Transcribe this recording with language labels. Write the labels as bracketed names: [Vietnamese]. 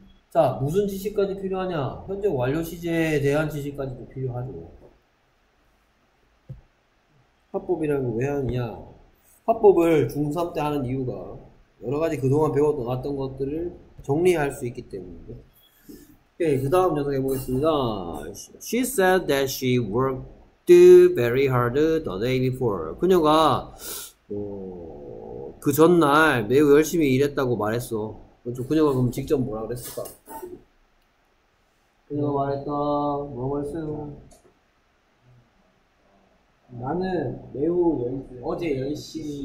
[Korean] 자, 무슨 지식까지 필요하냐? 현재 완료 시제에 대한 지식까지도 필요하죠. 화법이라는 거 왜 하느냐? 화법을 중3 때 하는 이유가 여러 가지 그동안 배워놨던 것들을 정리할 수 있기 때문이죠. 오케이, 그 다음 녀석 해보겠습니다. [English] She said that she worked very hard the day before. [Korean] 그녀가 그 전날 매우 열심히 일했다고 말했어. 그렇죠. 그녀가 그럼 직접 뭐라 그랬을까? 그녀가 말했다. 뭐라고 했어요? 나는 매우 어제 열심히